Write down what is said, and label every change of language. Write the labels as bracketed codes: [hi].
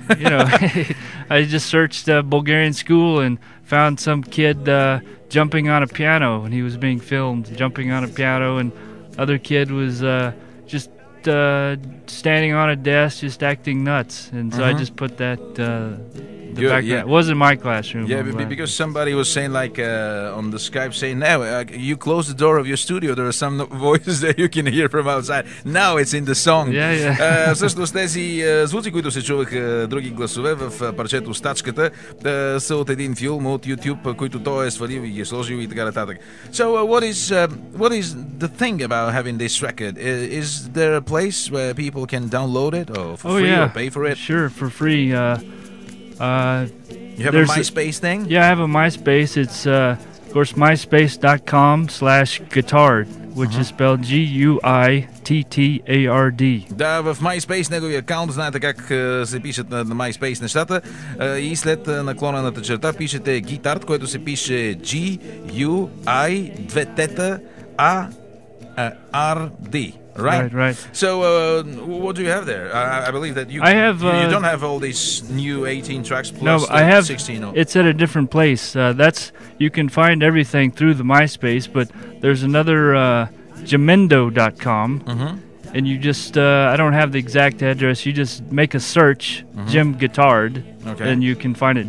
[en] You know, I just searched Bulgarian school and found some kid jumping on a piano, and he was being filmed jumping on a piano, and other kid was just standing on a desk, just acting nuts. And so I just put that. It wasn't my classroom. Yeah, because somebody was saying, like, on the Skype, saying, now, you close the door of your studio, there are some voices that you can hear from outside. Now it's in the song. Yeah, yeah. [bg] Всъщност тези звуци, които се чуваха, други гласове в парчето Стачката, са от един филм от YouTube, който той е свалил и ги е сложил и така нататък. [en] So, what is the thing about having this record? Is there a place where people can download it or for free or pay for it? Sure, for free. You have a MySpace thing? Yeah, I have a MySpace. It's, of course, myspace.com/guitard, which is spelled GUITTARD. [bg] Да, в MySpace, неговия акаунт, знаете как се пишат на MySpace нещата. И след наклонената черта пишете guitard, което се пише GUITTARD. [en] Right. So, what do you have there? I believe that you don't have all these new 18 tracks plus 16. No, I have 16. It's at a different place. That's, you can find everything through the MySpace, but there's another Jimendo.com, and you just, I don't have the exact address, you just make a search, Jim Guitard, and you can find it.